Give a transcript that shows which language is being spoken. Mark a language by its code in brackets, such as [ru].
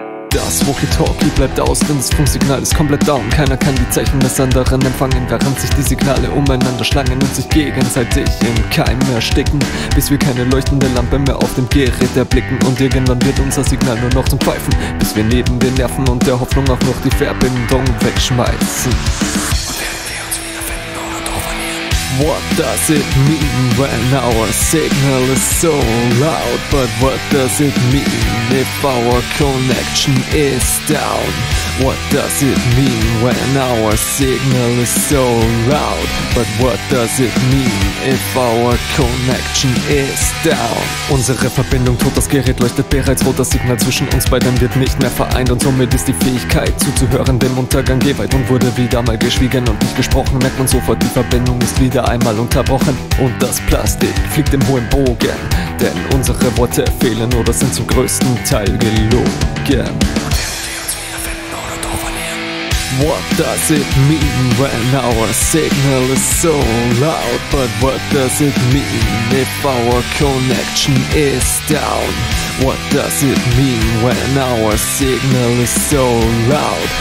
[de] das Walkie-Talkie bleibt aus, denn das Funksignal ist komplett down. Keiner kann die Zeichen des anderen empfangen, während sich die Signale umeinander schlangen und sich gegenseitig im Keim ersticken, bis wir keine leuchtende Lampe mehr auf dem Gerät erblicken. Und irgendwann wird unser Signal nur noch zum Pfeifen, bis wir neben den Nerven und der Hoffnung auch noch die Verbindung wegschmeißen. [en] What does it mean when our signal is so loud? But what does it mean if our connection is down? What does it mean when our signal is so loud? But what does it mean if our connection is down? [de] Unsere Verbindung tot, das Gerät leuchtet bereits rot, das Signal zwischen uns beiden wird nicht mehr vereint und somit ist die Fähigkeit zuzuhören dem Untergang geweiht und wurde wieder mal geschwiegen und nicht gesprochen, merkt man sofort, die Verbindung ist wieder einmal unterbrochen und das Plastik fliegt im hohen Bogen, denn unsere Worte fehlen oder sind zum größten Teil gelogen. [en] What does it mean when our signal is so loud? But what does it mean if our connection is down? What does it mean when our signal is so loud?